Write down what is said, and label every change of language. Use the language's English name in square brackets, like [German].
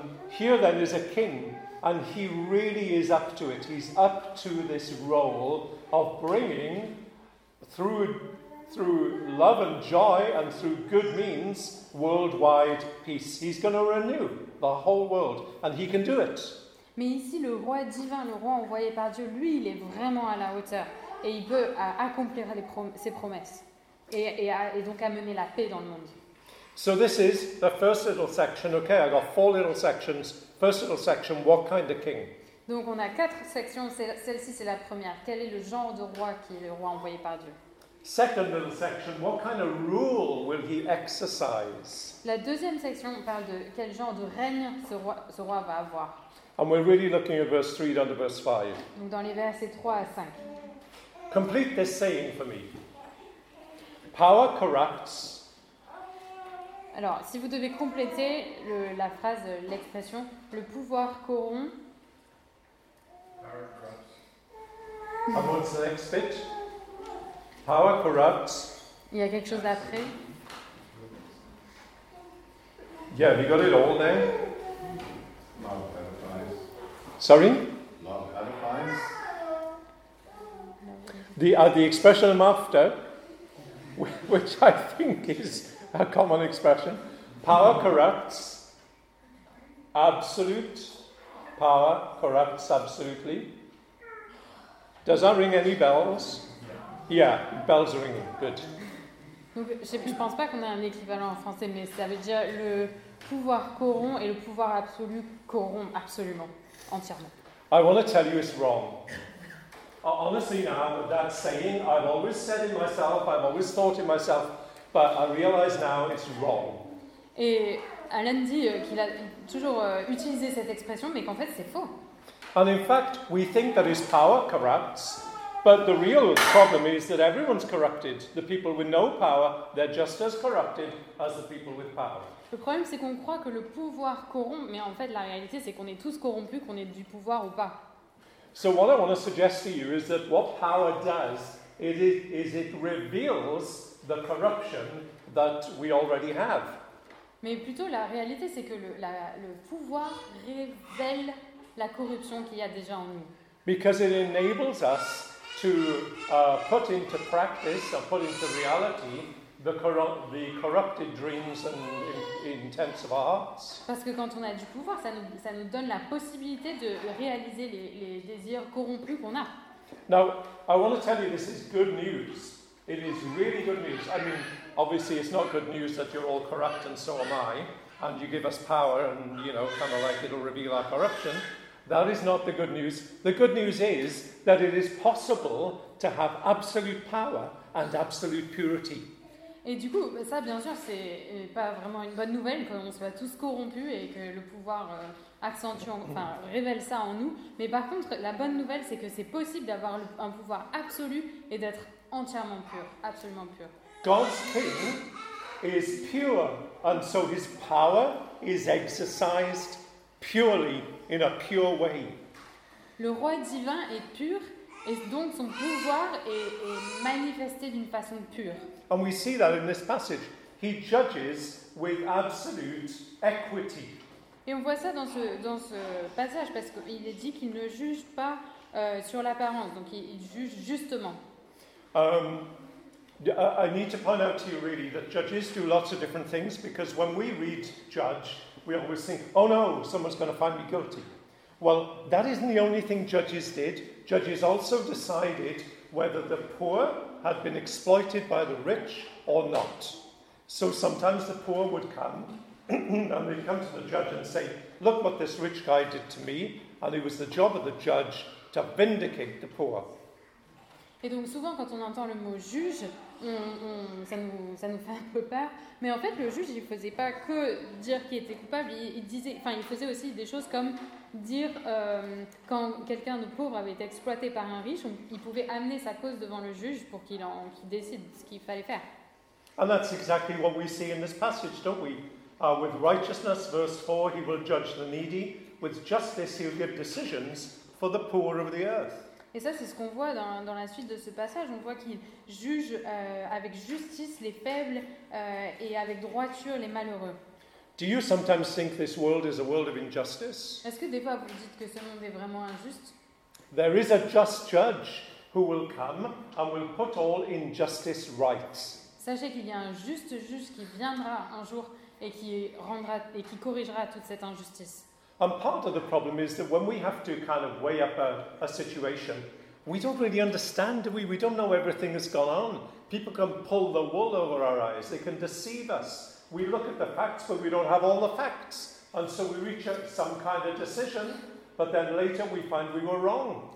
[English] Here then is a king, and he really is up to it. He's up to this role of bringing, through love and joy and through good means, worldwide peace. He's going to renew the whole world, and he can do it. [French] Mais ici, le roi divin, le roi envoyé par Dieu, lui, il est vraiment à la hauteur, et il peut accomplir ses promesses. Et donc amener la paix dans le monde. [English] So this is the first little section. Okay, I got four little sections. First little section, what kind of king? [French] Donc on a quatre sections. Celle-ci c'est la première. Quel est le genre de roi qui est le roi envoyé par Dieu? [English] Second little section, what kind of rule will he exercise? [French] La deuxième section parle de quel genre de règne ce roi va avoir. [English] And we're really looking at verse 3 down to verse 5. [French] Donc dans les versets 3 à 5. [English] Complete this saying for me. Power corrupts. [French] Alors, si vous devez compléter la phrase, l'expression, le pouvoir corrompt. [English] Power corrupts. And what's the next bit? Power corrupts. [French] Il y a quelque chose d'après. [English] Yeah, have you got it all there? Love edifies. Sorry? Love edifies. The expression I'm after, which I think is a common expression. Power corrupts. Absolute power corrupts absolutely. Does that ring any bells? Yeah, bells are ringing. Good. [French] Donc, je ne pense pas qu'on ait un équivalent en français, mais ça veut dire le pouvoir corrompt et le pouvoir absolu corrompt absolument, entièrement. [English] I want to tell you it's wrong. Honestly now, that saying, I've always said it myself, I've always thought it myself, but I realize now it's wrong. [French] Et Alan dit qu'il a toujours utilisé cette expression, mais qu'en fait c'est faux. [English] And in fact, we think that his power corrupts, but the real problem is that everyone's corrupted. The people with no power, they're just as corrupted as the people with power. [French] Le problème, c'est qu'on croit que le pouvoir corrompt, mais en fait, la réalité, c'est qu'on est tous corrompus, qu'on ait du pouvoir ou pas. [English] So what I want to suggest to you is that what power does is it reveals the corruption that we already have. [French] Mais plutôt, la réalité, c'est que le pouvoir révèle la corruption qu'il y a déjà en nous. [English] Because it enables us to put into practice or put into reality the corrupted dreams and intents of our hearts. [French] Parce que quand on a du pouvoir, ça nous donne la possibilité de réaliser les désirs corrompus qu'on a. [English] Now, I want to tell you this is good news. It is really good news. I mean, obviously it's not good news that you're all corrupt and so am I, and you give us power and, you know, kind of like it'll reveal our corruption. That is not the good news. The good news is that it is possible to have absolute power and absolute purity. [French] Et du coup, ça, bien sûr, c'est pas vraiment une bonne nouvelle qu'on soit tous corrompus et que le pouvoir accentue, enfin, révèle ça en nous. Mais par contre, la bonne nouvelle, c'est que c'est possible d'avoir un pouvoir absolu et d'être entièrement pur, absolument pur. [English] God's king is pure, and so his power is exercised purely in a pure way. [French] Le roi divin est pur, et donc son pouvoir est manifesté d'une façon pure. [English] And we see that in this passage, he judges with absolute equity. [French] Et on voit ça dans ce passage parce qu'il est dit qu'il ne juge pas sur l'apparence, donc il juge justement. [English] I need to point out to you really that judges do lots of different things because when we read judge, we always think, oh no, someone's going to find me guilty. Well, that isn't the only thing judges did. Judges also decided whether the poor had been exploited by the rich or not. So sometimes the poor would come and they'd come to the judge and say, look what this rich guy did to me, and it was the job of the judge to vindicate the poor. [French] Et donc souvent quand on entend le mot juge, ça nous fait un peu peur, mais en fait le juge il faisait pas que dire qu'il était coupable, il faisait aussi des choses comme dire quand quelqu'un de pauvre avait été exploité par un riche, il pouvait amener sa cause devant le juge pour qu'il décide ce qu'il fallait faire. [English] And that's exactly what we see in this passage, don't we? With righteousness, verse 4, he will judge the needy. With justice, he'll give decisions for the poor of the earth. [French] Et ça, c'est ce qu'on voit dans la suite de ce passage. On voit qu'il juge avec justice les faibles et avec droiture les malheureux. [English] Do you sometimes think this world is a world of injustice? [French] Est-ce que des fois vous dites que ce monde est vraiment injuste? [English] There is a just judge who will come and will put all injustice right. [French] Sachez qu'il y a un juste juge qui viendra un jour et qui corrigera toute cette injustice. [English] And part of the problem is that when we have to kind of weigh up a situation, we don't really understand, do we? We don't know everything that's gone on. People can pull the wool over our eyes. They can deceive us. We look at the facts, but we don't have all the facts. And so we reach some kind of decision, but then later we find we were wrong.